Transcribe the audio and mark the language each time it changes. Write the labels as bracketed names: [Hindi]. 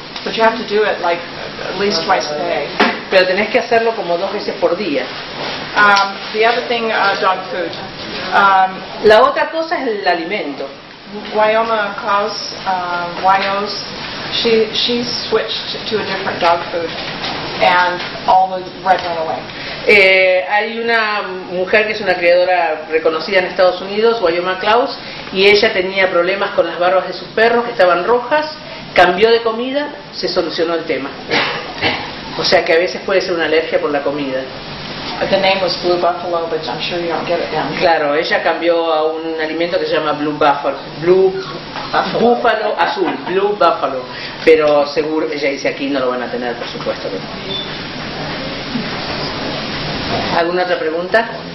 [English] But you have to do it like at least twice a day. [Spanish] Pero tenés que hacerlo como dos veces por día. [English] The other thing, dog food. [Spanish] La otra cosa es el alimento. [English] Wyoma Klaus, Wyos, she switched to a different dog food and all the red went away. [Spanish] Hay una mujer que es una criadora reconocida en Estados Unidos, Wyoma Klaus, y ella tenía problemas con las barbas de sus perros que estaban rojas, cambió de comida, se solucionó el tema. O sea que a veces puede ser una alergia por la comida. [English] The name was Blue Buffalo, but I'm sure you don't get it down here. [Spanish] Claro, ella cambió a un alimento que se llama Blue Buffalo. Búfalo azul, Blue Buffalo. Pero seguro, ella dice aquí no lo van a tener, por supuesto. Que no. ¿Alguna otra pregunta?